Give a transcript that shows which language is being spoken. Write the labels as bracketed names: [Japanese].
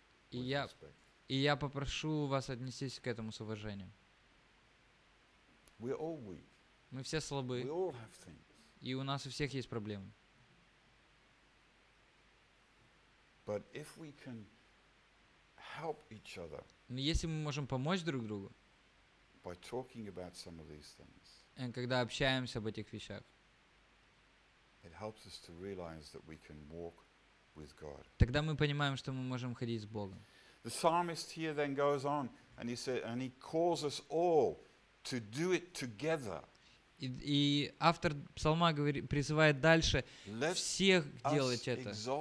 [Russian] И я попрошу вас отнестись к этому с уважением. Мы все слабы. И у нас у всех есть проблемы. [English] But if we can help each other, [Russian] но если мы можем помочь друг другу, [English] by talking about some of these things, [Russian] когда общаемся об этих вещах, [English] it helps us to realize that we can walk with God. [Russian] Тогда мы понимаем, что мы можем ходить с Богом. [English] The psalmist here then goes on, and he said, and he calls us all to do it together. [Russian] И автор псалма говорит, призывает дальше всех делать это.